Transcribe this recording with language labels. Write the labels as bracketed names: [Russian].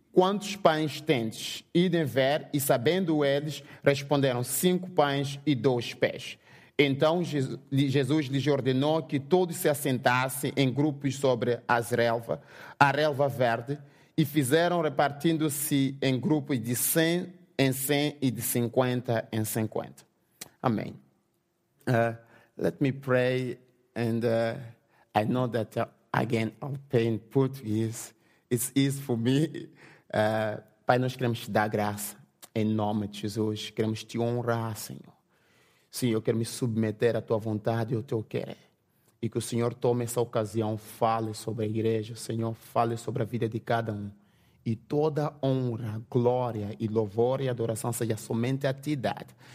[Portuguese] Quantos pães tendes? Idem ver. E sabendo eles, responderam: 5 pães e 2 peixes. Então Jesus lhes ordenou que todos se assentassem em grupos sobre a relva verde, e fizeram repartindo-se em grupos de 100 em 100 e de 50 em 50. Amém. [English] Let me pray, and I know that again I'll pray in Portuguese. It's easy for me. [Portuguese] Pai, nós queremos te dar graça em nome de Jesus. Queremos te honrar, Senhor. Sim, eu quero me submeter à tua vontade e ao teu querer. E que o Senhor tome essa ocasião, fale sobre a igreja, Senhor, fale sobre a vida de cada um. E toda honra, glória e louvor e adoração seja somente a ti dada.